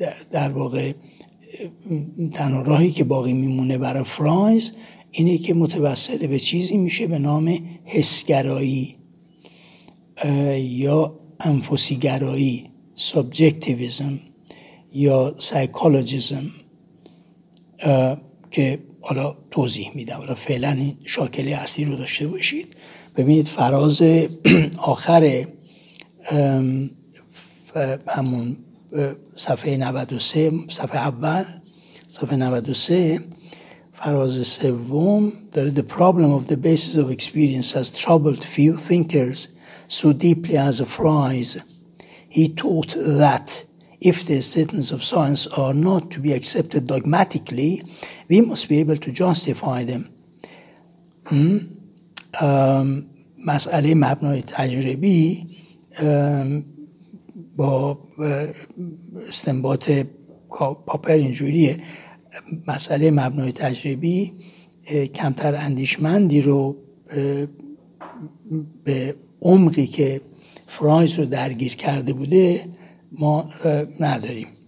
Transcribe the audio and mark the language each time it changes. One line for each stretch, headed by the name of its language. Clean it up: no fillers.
Persian: در واقع تنها راهی که باقی میمونه برای فرایز اینه که متوسل به چیزی میشه به نام حسگرایی یا انفسیگرایی، سابجکتیویزم یا سایکولوژیزم، که حالا توضیح میدم. حالا فعلا این شاکله اصلی رو داشته باشید. ببینید فراز آخر همون صفحه 93، صفحه اول، صفحه 93، فراز سوم داره
English: The problem of the basis of experience has troubled few thinkers so deeply as Fries. He taught that if the statements of science are not to be accepted dogmatically, we must be able to justify them.
Persian: مسئله مبنای تجربی با استنباط پاپر اینجوریه، مسئله مبنای تجربی کمتر اندیشمندی رو به عمقی که فرایز رو درگیر کرده بوده ما نداریم.